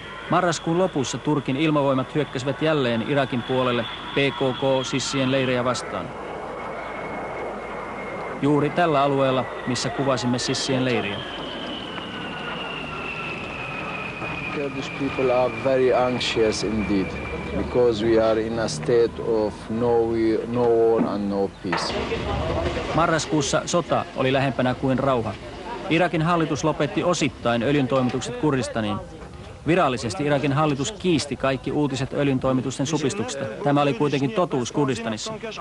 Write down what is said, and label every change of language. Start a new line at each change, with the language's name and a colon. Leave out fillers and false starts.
Finnish: Marraskuun lopussa Turkin ilmavoimat hyökkäsivät jälleen Irakin puolelle PKK-sissien leirejä vastaan. Juuri tällä alueella, missä kuvasimme sissien leiriä.
English: Kurdish people are very anxious indeed, because we are in a state of no war and no peace.
Finnish: Marraskuussa sota oli lähempänä kuin rauha. Irakin hallitus lopetti osittain öljyntoimitukset Kurdistaniin. Virallisesti Irakin hallitus kiisti kaikki uutiset öljyntoimitusten supistuksesta. Tämä oli kuitenkin totuus Kurdistanissa.